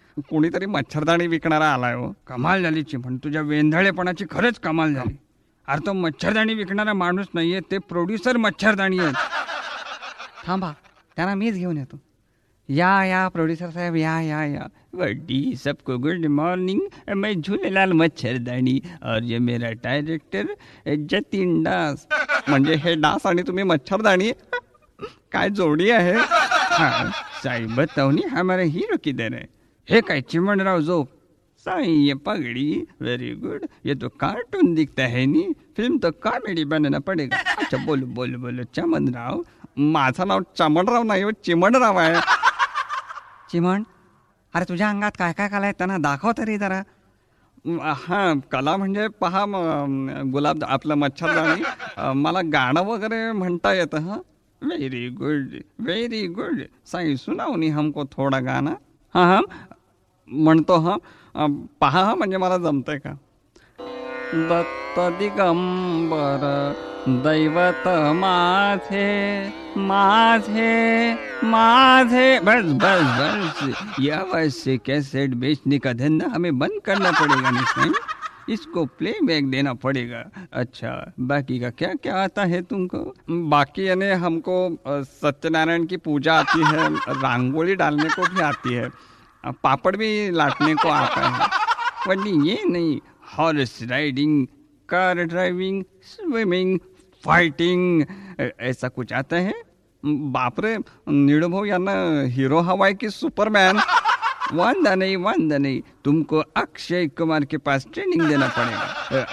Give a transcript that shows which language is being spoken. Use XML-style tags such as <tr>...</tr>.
<mr>कोणीतरी मच्छरदाणी विकणारा आलाय. कमाल झाली चिमण, तुझ्या वेंधळेपणाची खरंच कमाल झाली. अरे, तो मच्छरदाणी विकणारा माणूस नाहीये, ते प्रोड्युसर मच्छरदाणी आहे. थांबा, त्यांना मीच घेऊन येतो. या या प्रोड्युसर साहेब, या या या.</mr> <hi>वड्डी सबको गुड मॉर्निंग, मैं झूलेलाल मच्छरदाणी और ये मेरा डायरेक्टर जतीन दास.</hi> <mr>म्हणजे हे दास आणि तुम्ही मच्छरदाणी, काय जोडी आहे?</mr> <hi>हां साई बतावनी हमारा हिरो किधर है.</hi> <mr>हे काय</mr> <hi>चिमणराव जो साई, ये पगडी व्हेरी गुड, ये तो कार्टून दिखता है नी, फिल्म तो कॉमेडी बनना पडेगा. अच्छा बोल बोल बोल चिमणराव.</hi> <mr>माझं नाव चिमणराव नाही, चिमणराव आहे. चिमण, अरे तुझ्या अंगात काय काय कला आहे त्यांना दाखव तरी जरा. हां, कला म्हणजे पहा गुलाब आपलं मच्छरदाणी. मला गाणं वगैरे म्हणता येतं. हां</mr> <hi>very good very good Sai, सुनाव नी हमको थोडा गाणं.</hi> <mr>हां हां म्हणतो. हां पहा, हा म्हणजे मला जमतंय का. दत्त दिगंबर दैवत माझे माझे माझे,</mr> <hi>बस बस बस, या वैसे कैसेट बेचने का धंधा हमें बंद करना पड़ेगा. नहीं, इसको प्ले बैक देना पड़ेगा. अच्छा, बाकी का क्या क्या आता है तुमको? बाकी यानी हमको सत्यनारायण की पूजा आती है, रंगोली डालने को भी आती है, पापड़ भी लाटने को आता है. वही ये नहीं, horse riding, car driving, swimming, fighting, ऐसा कुछ आता है?</hi> <mr>बापरे, निळूभाऊ यांना हिरो हवा आहे की सुपरमॅन? वांदा नाही वांदा नाही,</mr> <hi>तुमको अक्षय कुमार के पास ट्रेनिंग देना पडेगा.</hi>